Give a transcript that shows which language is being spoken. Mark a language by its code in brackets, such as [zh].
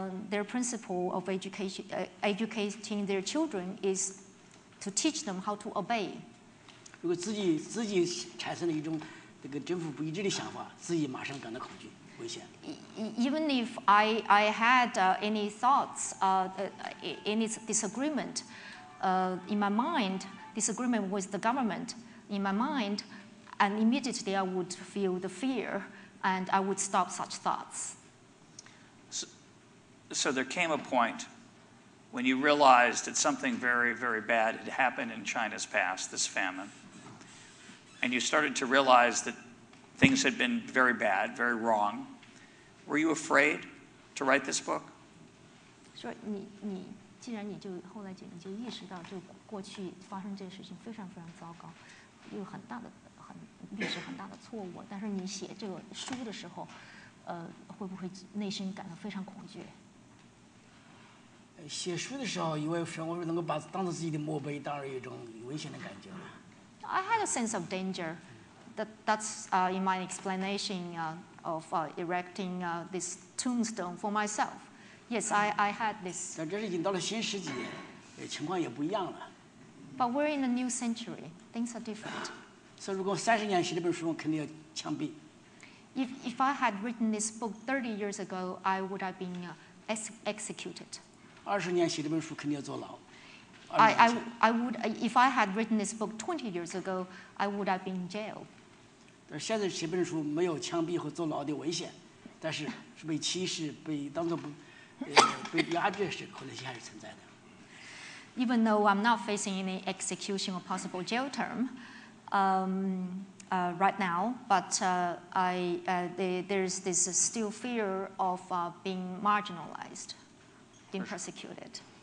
[en] Their principle of educating their children is to teach them how to obey. [zh] 如果自己产生了一种这个政府不一致的想法，自己马上感到恐惧。 [en] Even if I had any thoughts, any disagreement in my mind, disagreement with the government in my mind, and immediately I would feel the fear and I would stop such thoughts. So there came a point when you realized that something very, very bad had happened in China's past, this famine, and you started to realize that things had been very bad, very wrong. Were you afraid to write this book? [zh] 说你既然你就后来你就意识到就过去发生这事情非常非常糟糕，有很大的很历史很大的错误。但是你写这个书的时候，会不会内心感到非常恐惧？写书的时候，因为说我能够把当做自己的墓碑，当然有一种危险的感觉。 [en] I had a sense of danger. That's in my explanation. Of erecting this tombstone for myself. Yes, I had this. [zh] 但这是已经到了新世纪，情况也不一样了。 [en] But we're in a new century. Things are different. [zh] 所以如果三十年写这本书，我肯定要枪毙。 [en] If I had written this book 30 years ago, I would have been executed. [zh] 二十年写这本书肯定要坐牢。 [en] I would, if I had written this book 20 years ago, I would have been in jail. [zh] 但现在写本书没有枪毙和坐牢的危险，但是是被歧视、被当作不、被压制是可能性还是存在的。 [en] Even though I'm not facing any execution or possible jail term, right now, but there's this still fear of being marginalized, being persecuted.